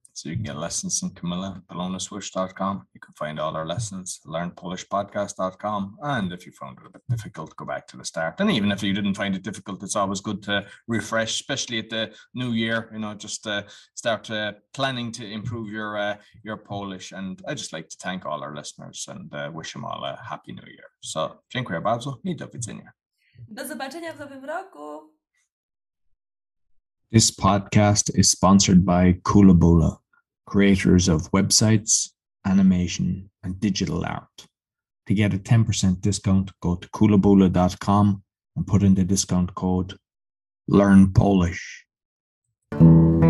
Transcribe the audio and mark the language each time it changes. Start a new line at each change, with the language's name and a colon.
English: So you can get lessons from Kamila at bolognaswish.com. You can find all our lessons at learnpolishpodcast.com. And if you found it a bit difficult, go back to the start. And even if you didn't find it difficult, it's always good to refresh, especially at the new year, you know, just start planning to improve your Polish. And I just like to thank all our listeners and wish them all a happy new year.
Polish: So, dziękuję bardzo I do widzenia. Do zobaczenia w nowym roku.
English: This podcast is sponsored by Koolaboola, creators of websites, animation, and digital art. To get a 10% discount, go to koolaboola.com and put in the discount code LearnPolish.